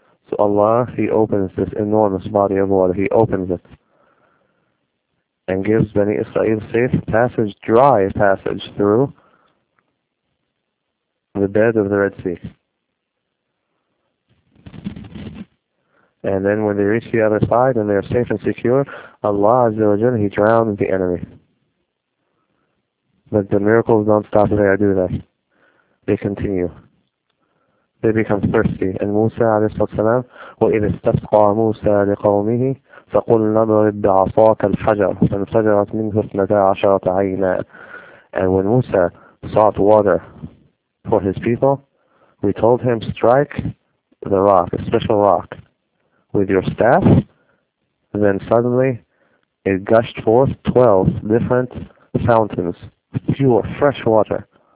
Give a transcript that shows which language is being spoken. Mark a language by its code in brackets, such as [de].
[en] So Allah, he opens this enormous body of water. He opens it and gives Bani Israel safe passage, dry passage through the bed of the Red Sea. And then when they reach the other side and they're safe and secure, Allah Azza wa Jalla, he drowns the enemy. But the miracles don't stop there, do they? They continue. They become thirsty. [ar] And Musa alayhi salatu wasalam, وَإِذِ اسْتَسْقَى مُوسَى لِقَوْمِهِ فَقُلْنَا اضْرِبْ بِعَصَاكَ الْحَجَرَ فَانْفَجَرَتْ مِنْهُ اثْنَتَا عَشَرَةَ عَيْنًا. [en] And when Musa sought water for his people, we told him, strike the rock, a special rock, with your staff. Then suddenly, it gushed forth 12 different fountains, pure, fresh water.